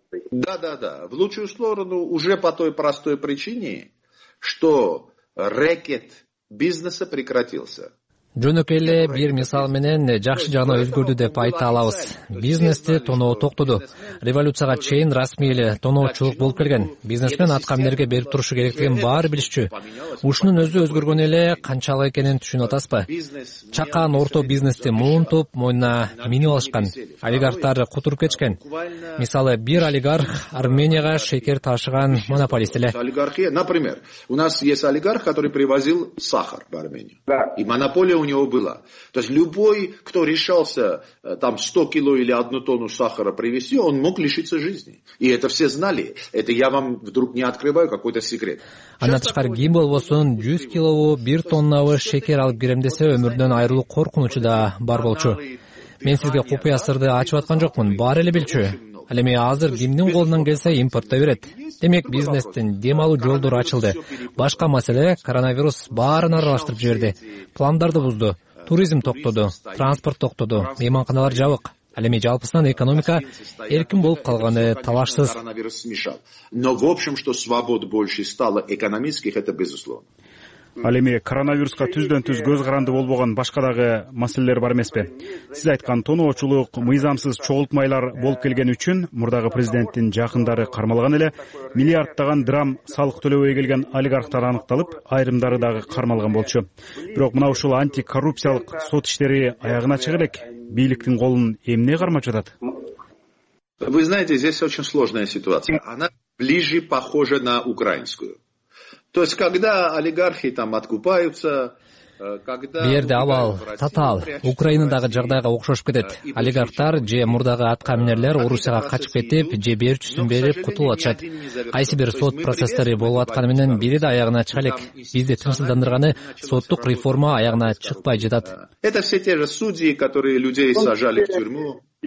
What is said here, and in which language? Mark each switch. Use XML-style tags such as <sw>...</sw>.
<ru>Да. В лучшую сторону уже по той простой причине, что рэкет бизнеса прекратился.</ru> <ky>Жөнөкөй эле бир мисал менен жакшы жагына өзгөрдү деп айта алабыз. Бизнести тоноо токтоду. Революцияга чейин расмий эле тоноочулук болуп келген. Бизнесмен аткан мэрге берип турушу керектигин баары билишчү. Ушунун өзү өзгөргөн эле канчалык экенин түшүнүп атасызбы? Чакан орто бизнести муунтуп, мойнуна минип алышкан. Олигархтар кутуруп кетишкен. Мисалы, бир олигарх Арменияга шекер ташыган монополист эле.</ky> <ru>Например, у нас есть олигарх, который привозил сахар в Армению. И монополия у него было. То есть любой, кто решался там 100 кило или 1 тонну сахара привезти, он мог лишиться жизни. И это все знали. Это я вам вдруг не открываю какой-то секрет.</ru> <ky>Андан тышкары ким болбосун 100 кило, 1 тоннабы шекер алып кирем десе өмүрдөн айрылуу коркунучу да бар болчу. Мен сизге купуя сырды ачып аткан жокмун, баары эле билчү. Ал эми азыр кимдин колунан келсе импортто берет. Демек бизнестин дем алуу жолдору ачылды. Башка маселе коронавирус баарын аралаштырып жиберди. Пландарды бузду. Туризм токтоду, транспорт токтоду, мейманканалар жабык. Ал эми жалпысынан экономика эркин болуп калганы талашсыз.</ky> <ru>Но в общем, что свобод больше стало экономических, это безусловно.</ru> <ky>Ал эми коронавируска түздөн-түз көз каранды болбогон башка дагы маселелер бар эмеспи? Сиз айткан тоноочулук, мыйзамсыз чогултмайлар болуп келген үчүн мурдагы президенттин жакындары кармалган эле, миллиарддаган драм салык төлөбөй келген олигархтар аныкталып, айрымдары дагы кармалган болчу. Бирок мына ушул антикоррупциялык сот иштери аягына чыга элек, бийликтин колун эмне кармачу атат?</ky> <ru>Вы знаете, здесь очень сложная ситуация. Она ближе похожа на украинскую. То есть когда олигархи там откупаются, когда</ru> <ky>Берди авал, татал, Украинадагы жагдайга окшошуп кетет. Олигархтар же мурдагы аткаминерлер Орусияга качып кетип, же берүүчүсүн берип кутулуп атышат. Кайсы бир сот процесстери болуп атканы менен бири да аягына чыга элек. Бизди тынчсыздандырганы соттук реформа аягына чыкпай жатат.</ky> <ru>Это все те же судьи, которые людей сажали в тюрьму.</ru>